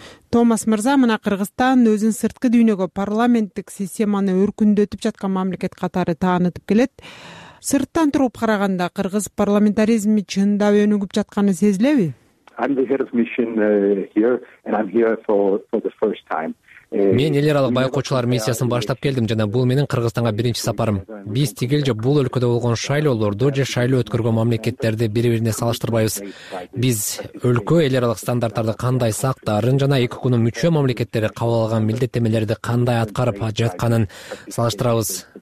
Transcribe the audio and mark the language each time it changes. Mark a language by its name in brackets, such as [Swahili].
[Kyrgyz] Томас мырза, мына Кыргызстан өзүн сырткы дүйнөгө парламенттик системаны өркүндөтүп жаткан мамлекет катары таанытып келет. Сырттан туруп караганда кыргыз парламентаризми чындап өнүгүп жатканы сезилеби? [English] I'm the head of mission here and I'm here for the first time. [Kyrgyz] Мен эл аралык байкоочулар миссиясын баштап келдим жана бул менин Кыргызстанга биринчи сапарым. Биз тигил же бул өлкөдө болгон шайлоолорду же шайлоо өткөргөн мамлекеттерди бири бирине салыштырбайбыз. Биз өлкө эл аралык стандарттарды кандай сактаарын жана эки күнү мүчө мамлекеттери кабыл алган милдеттемелерди кандай аткарып жатканын салыштырабыз.